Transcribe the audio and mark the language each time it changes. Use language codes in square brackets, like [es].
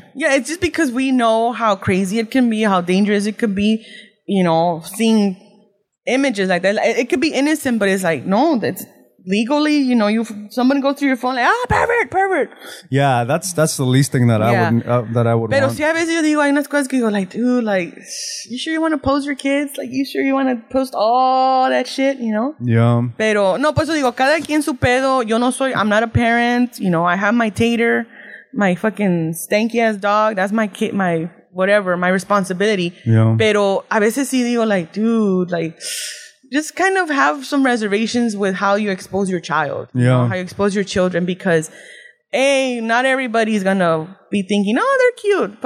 [en] Yeah, it's just because we know how crazy it can be, how dangerous it could be, you know, seeing... images like that, it could be innocent, but it's like, no, that's legally, you know, you someone goes through your phone like, ah, pervert, pervert. Yeah, that's the least thing that I would [es] pero [en] want. [es] Pero si a veces yo digo, hay unas cosas que digo, [en] like, dude, like, you sure you want to post your kids? Like, you sure you want to post all that shit, you know? Yeah. [es] Pero, no, pues yo digo, cada quien su pedo. Yo no soy, [en] I'm not a parent. You know, I have my tater, my fucking stanky ass dog. That's my kid, my whatever, my responsibility. Yeah. [es] Pero a veces sí digo, [en] like, dude, like, just kind of have some reservations with how you expose your child. Yeah. You know, how you expose your children, because, A, not everybody's going to be thinking, oh, they're cute.